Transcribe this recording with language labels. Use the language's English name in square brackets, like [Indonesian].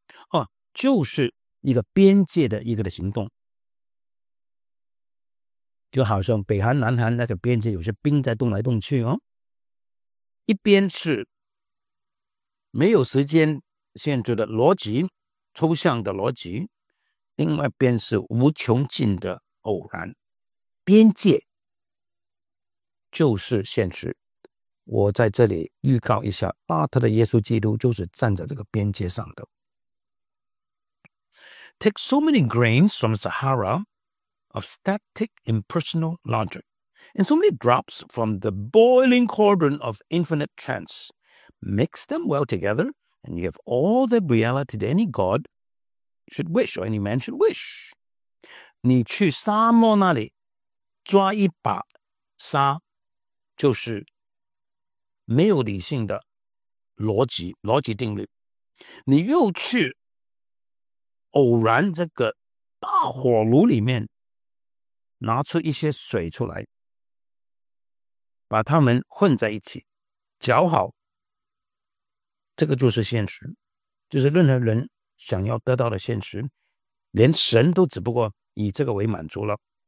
[Chinese] 哦，就是一个边界的一个的行动，就好像北韩南韩那条边界有些冰在动来动去哦，一边是没有时间限制的逻辑，抽象的逻辑，另外边是无穷尽的偶然。边界就是现实，我在这里预告一下，巴特的耶稣基督就是站在这个边界上的。 [English] Take so many grains from SaharaOf static impersonal logic, and so many drops from the boiling cauldron of infinite chance. Mix them well together, and you have all the reality that any god should wish or any man should wish. [Chinese] 你去沙漠那里抓一把沙，就是没有理性的逻辑定律。你又去偶然这个大火炉里面，拿出一些水出来，把它们混在一起搅好，这个就是现实，就是任何人想要得到的现实，连神都只不过以这个为满足了。